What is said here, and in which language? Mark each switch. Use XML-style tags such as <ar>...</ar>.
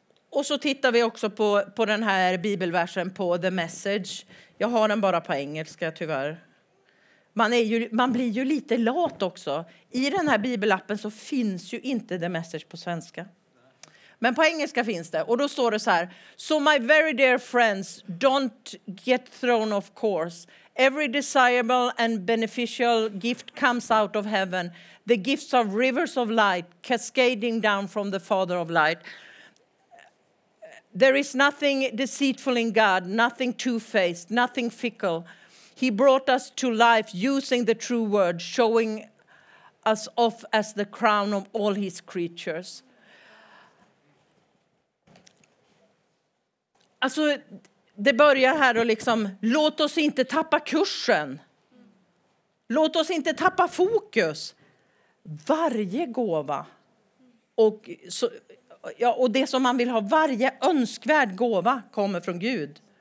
<sv>Och så tittar vi också på den här bibelversen på The Message. Jag har den bara på engelska tyvärr. Man blir ju lite lat också. I den här bibelappen så finns ju inte The Message på svenska. Men på engelska finns det. Och då står det så här.</sv> <en>So my very dear friends, don't get thrown off course. Every desirable and beneficial gift comes out of heaven. The gifts of rivers of light cascading down from the Father of light. There is nothing deceitful in God, nothing two-faced, nothing fickle. He brought us to life using the true word, showing us off as the crown of all his creatures.</en> <sv>Alltså, det börjar här och liksom, låt oss inte tappa kursen. Låt oss inte tappa fokus. Varje gåva och så, ja, och det som man vill ha, varje önskvärd gåva kommer från Gud.</sv>